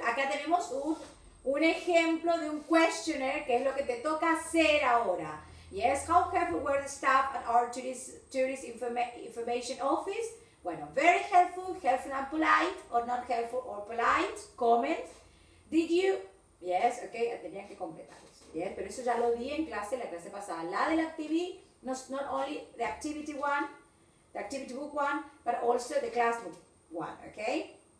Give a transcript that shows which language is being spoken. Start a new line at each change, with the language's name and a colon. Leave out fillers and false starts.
Spanish: Acá tenemos un ejemplo de un questioner, que es lo que te toca hacer ahora.
English: Yes, how helpful were the staff at our tourist information office? Bueno, very helpful, helpful and polite, or not helpful or polite. Comment. Did you... Yes, ok,
Spanish: tenía que completar eso. Yes, pero eso ya lo di en clase, la clase pasada. La del
English: activity, not only the activity one, the activity book one, but also the classroom one, ok?